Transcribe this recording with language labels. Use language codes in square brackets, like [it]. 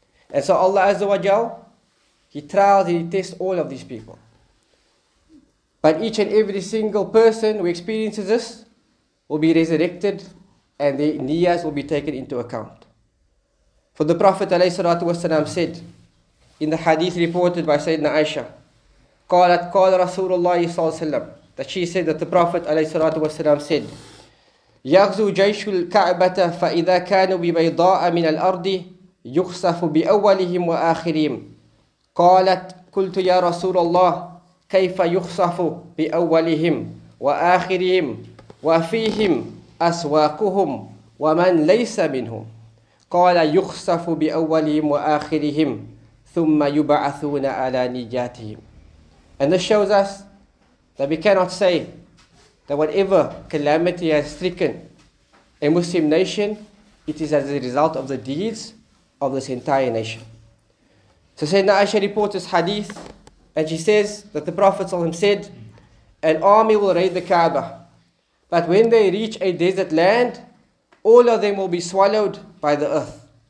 [en] And so Allah Azza wa Jal, He trials and He tests all of these people. But each and every single person who experiences this will be resurrected and their niyas will be taken into account. For the Prophet ﷺ said in the hadith reported by Sayyidina Aisha, [ar] قال رسول الله صلى الله عليه وسلم [en] that she said that the Prophet [ar] عليه الصلاة والسلام [en] said [ar] يغزو جيش الكعبة فإذا كانوا ببيضاء من الأرض يخسف بأولهم وآخرهم قالت قلت يا رسول الله كيف يخسف بأولهم وآخرهم وفيهم أسواقهم ومن ليس منهم قال يخسف بأولهم وآخرهم ثم يبعثون على نجاتهم. [en] And this shows us that we cannot say that whatever calamity has stricken a Muslim nation, it is as a result of the deeds of this entire nation. So Sayyidina Aisha reports this hadith, and she says that the Prophet ﷺ said, an army will raid the Kaaba, but when they reach a desert land, all of them will be swallowed by the earth.